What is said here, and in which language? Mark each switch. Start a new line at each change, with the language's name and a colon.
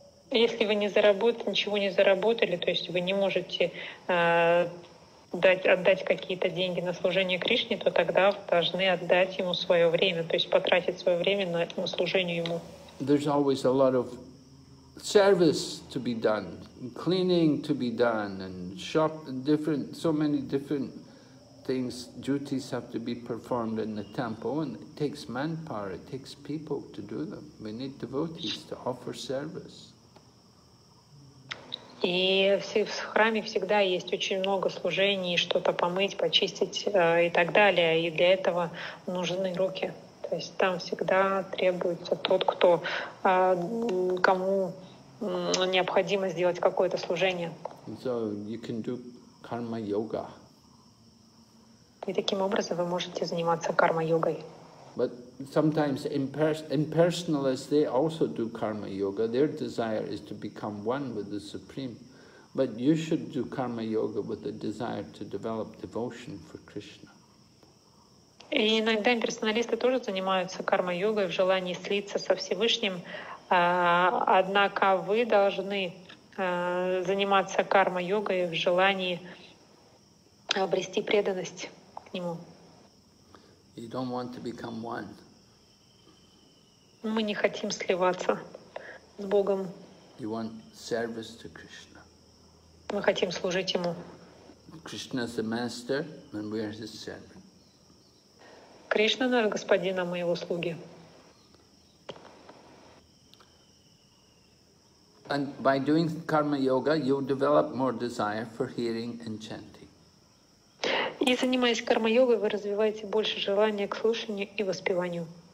Russian: Если вы не заработали, ничего не заработали, то есть вы не можете отдать какие-то деньги на служение Кришне, то тогда вы должны отдать ему свое время, то есть потратить свое время на служение ему.
English: There's always a lot of service to be done, cleaning to be done, and shop, different, so many different things, duties have to be performed in the temple, and it takes manpower, it takes people to do them. We need devotees to offer service.
Russian: И в храме всегда есть очень много служений, что-то помыть, почистить и так далее. И для этого нужны руки. То есть там всегда требуется тот, кто, кому необходимо сделать какое-то служение.
English: So you can do karma yoga.
Russian: И таким образом вы можете заниматься карма-йогой.
English: But sometimes impersonalists, they also do karma yoga. Their desire is to become one with the Supreme. But you should do karma yoga with the desire to develop devotion for Krishna.
Russian: И иногда имперсоналисты тоже занимаются карма йогой в желании слиться со Всевышним. Однако вы должны заниматься карма йогой в желании обрести преданность к нему.
English: You don't want to become one.
Russian: Мы не хотим сливаться с Богом.
English: You want service to Krishna.
Russian: Мы хотим служить Ему.
English: Krishna is the master, and we are His servant.
Russian: Кришна наш господин, а мы его слуги.
English: And by doing karma yoga, you develop more desire for hearing and chanting.
Russian: И занимаясь карма-йогой, вы развиваете больше желания к слушанию и воспеванию.